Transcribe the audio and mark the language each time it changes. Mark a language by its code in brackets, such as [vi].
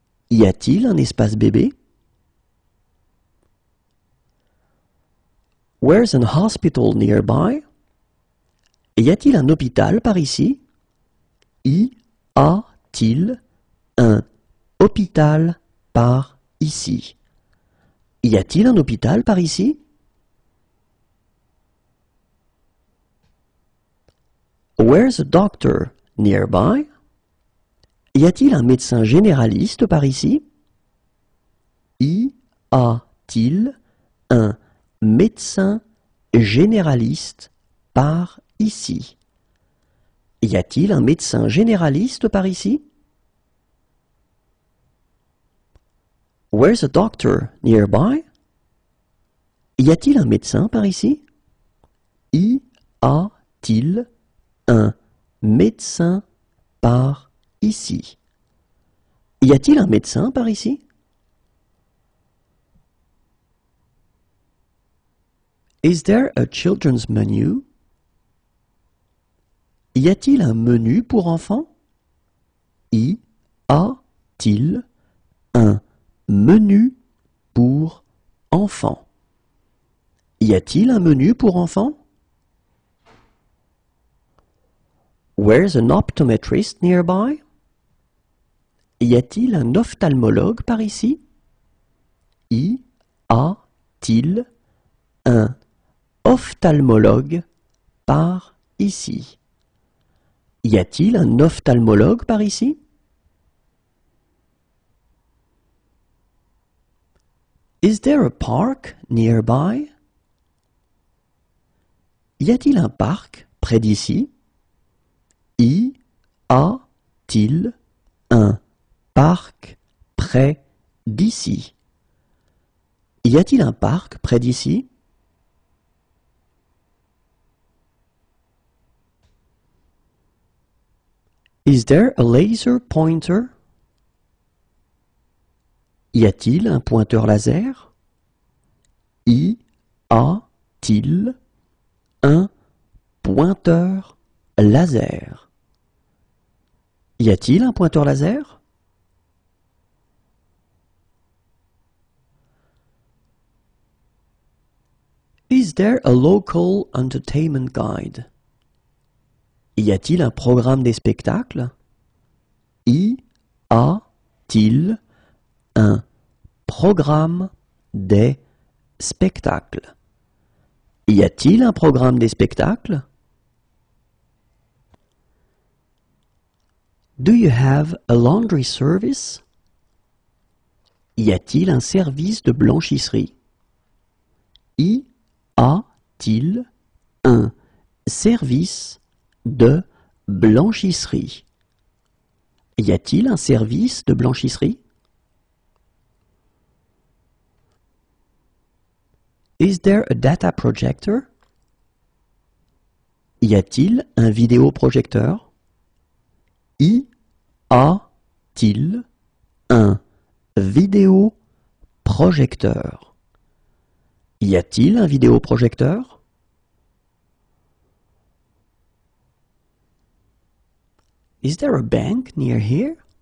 [fr] Y a-t-il un espace bébé? [en] Where's an hospital nearby? [fr] Y a-t-il un hôpital par ici? Y a-t-il un hôpital par ici? Y a-t-il un hôpital par ici? [en] Where's a doctor nearby? [fr] Y a-t-il un médecin généraliste par ici? Y a-t-il un médecin généraliste par ici? Y a-t-il un médecin généraliste par ici? [en] Where's a doctor nearby? [fr] Y a-t-il un médecin par ici? Y a-t-il un médecin par ici? Y a-t-il un médecin par ici? [en] Is there a children's menu? [fr] Y a-t-il un menu pour enfants? Y a-t-il un menu pour enfants? Y a-t-il un menu pour enfants? [en] Where's an optometrist nearby? [fr] Y a-t-il un ophtalmologue par ici? Y a-t-il un ophtalmologue par ici? Y a-t-il un ophtalmologue par ici? [en] Is there a park nearby? [fr] Y a-t-il un parc près d'ici? Y a a-t-il un parc près d'ici? Y a-t-il un parc près d'ici? [en] Is there a laser pointer? [fr] Y a-t-il un pointeur laser? Y a-t-il un pointeur laser? Y a-t-il un pointeur laser? [en] Is there a local entertainment guide? [fr] Y a-t-il un programme des spectacles? Y a-t-il un programme des spectacles? Y a-t-il un programme des spectacles? [en] Do you have a laundry service? [fr] Y a-t-il un service de blanchisserie? Y a-t-il un service de blanchisserie? Y a-t-il un service de blanchisserie? [en] Is there a data projector? [fr] Y a-t-il un vidéoprojecteur? Y a-t-il un vidéoprojecteur? Y a-t-il un vidéoprojecteur? [en] Is there a bank near here?